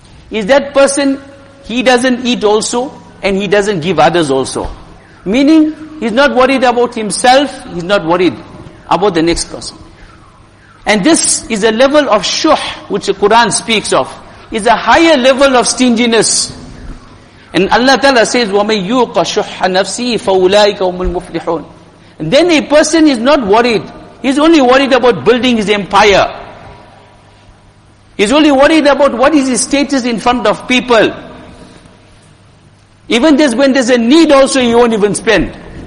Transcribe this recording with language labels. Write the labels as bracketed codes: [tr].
[en] Is that person, he doesn't eat also, and he doesn't give others also. Meaning, he's not worried about himself, he's not worried about the next person. And this is a level of shuh, which the Quran speaks of, is a higher level of stinginess. And Allah Ta'ala says, [ar] وَمَنْ يُوقَ شُحَّ نَفْسِهِ فَأُولَٰئِكَ هُمُ الْمُفْلِحُونَ. [en] Then a person is not worried, he's only worried about building his empire. He's only worried about what is his status in front of people. Even this, when there's a need also, he won't even spend.